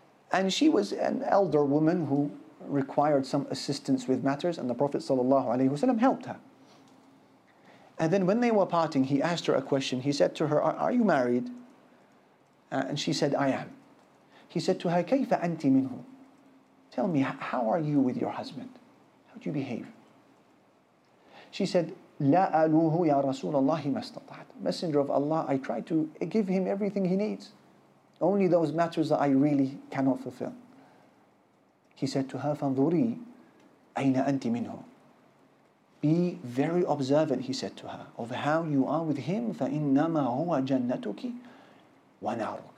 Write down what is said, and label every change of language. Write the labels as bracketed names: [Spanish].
[English] And she was an elder woman who required some assistance with matters, and the Prophet sallallahu alayhi wasallam helped her. And then when they were parting, he asked her a question. He said to her, are you married? And she said, I am. He said to her, [Arabic] كيف أنت منه? [English] Tell me, how are you with your husband? How do you behave? She said, [Arabic] لا ألوه يا رسول الله ما استطعت. [English] Messenger of Allah, I try to give him everything he needs. Only those matters that I really cannot fulfill. He said to her, [Arabic] فانظري أين أنت منه? [English] Be very observant, he said to her, of how you are with him. [Arabic] فإنما هو جنتك ونارك.